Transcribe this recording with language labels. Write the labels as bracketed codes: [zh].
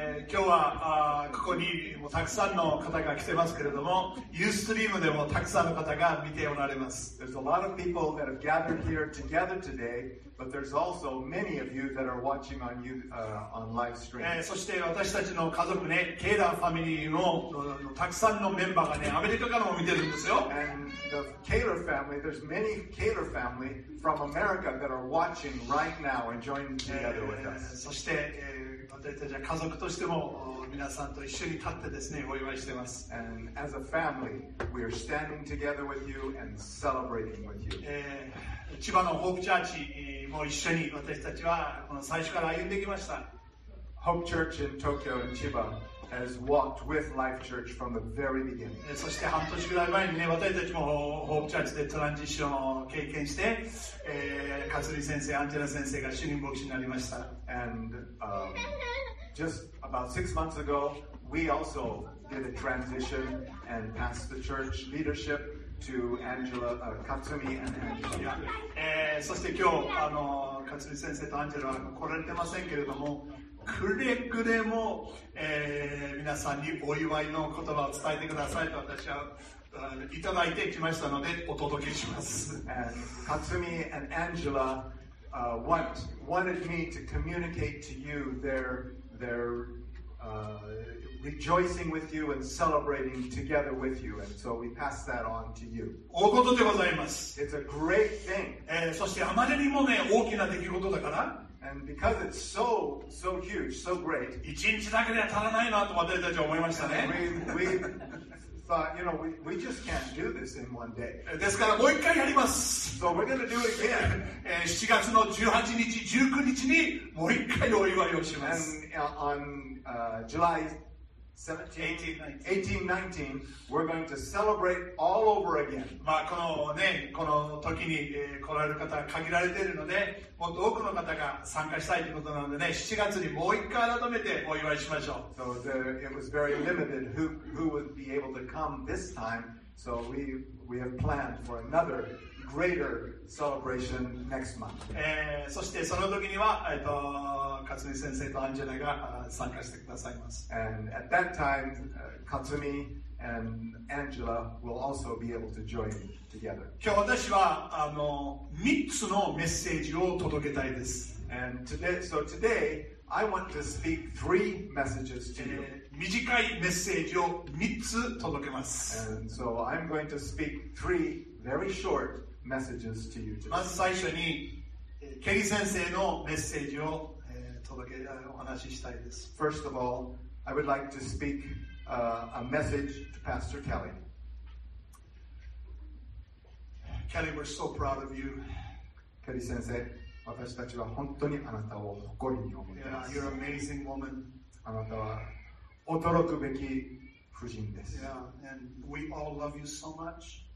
[ja] 今日は、ここにもたくさんの方が来てますけれども、Ustream でもたくさんの方が見ておられます。 [en] There's a lot of people that have gathered here together today, but there's also many of you that are watching on you, on live stream. [ja] そして私たちの家族ね、ケイダーファミリーの、たくさんのメンバーがね、アメリカからも見てるんですよ。 [en] The Kaler family, there's many Kaler family from America that are watching right now and joining together with us. [ja] そして、私たちは家族としても皆さんと一緒に立ってですね、お祝いしています。 [en] And as a family, we are standing together with you and celebrating with you. [ja] 千葉のホープチャーチも一緒に私たちはこの最初から歩んできました。 [en] Hope Church in Tokyo and Chiba has walked with Life Church from the very beginning. [ja] そして半年ぐらい前にね、私たちもホープチャーチでトランジションを経験して、勝利先生、アンジェラ先生が主任牧師になりました。 [en] And just about six months ago, we also did a transition and passed the church leadership. To Angela, Katsumi and Angela. [ja] そして今日、勝利先生とアンジェラは来られてませんけれども、くれぐれも、皆さんにお祝いの言葉を伝えてくださいと私は、いただいてきましたのでお届けします。 [en] Katsumi and Angela, wanted me to communicate to you their rejoicing with you and celebrating together with you, and so we pass that on to you. [ja] 大ことでございます。 [en] It's a great thing. [ja] そしてあまりにもね、大きな出来事だから。 [en] And because it's so huge, so great. [ja] 一日だけでは足らないなと私たちは思いましたね。 [en] We thought, you know, we just can't do this in one day. [ja] ですからもう一回やります。 [en] So we're gonna do it again. [ja] 7月の18日、19日にもう一回お祝いをします。 [en] And on July 18, 19, we're going to celebrate all over again. [ja] まあこのね、この時に来られる方は限られているので、もっと多くの方が参加したいということなのでね、7月にもう一回改めてお祝いしましょう。 [en] So it was very limited who would be able to come this time. So we have planned for another greater celebration next month. [ja] そしてその時には、勝利先生とアンジェラが参加してくださいます。 [en] And at that time, Katsumi and Angela will also be able to join together. [ja] 今日私は3つのメッセージを届けたいです。 [en] And today, so today, I want to speak three messages to you. [ja] 短いメッセージを3つ届けます。 [en] And so I'm going to speak three very short messages to you today. [ja] まず最初に、ケリー先生のメッセージを、お話ししたいです。 [en] First of all, I would like to speak a message to Pastor Kelly. Kelly, we're so proud of you. [ja] ケリー先生、私たちは本当にあなたを誇りに思っています。 [en] Yeah, you're an amazing woman. [ja] あなたは驚くべき夫人です。 [en] Yeah, and we all love you so much.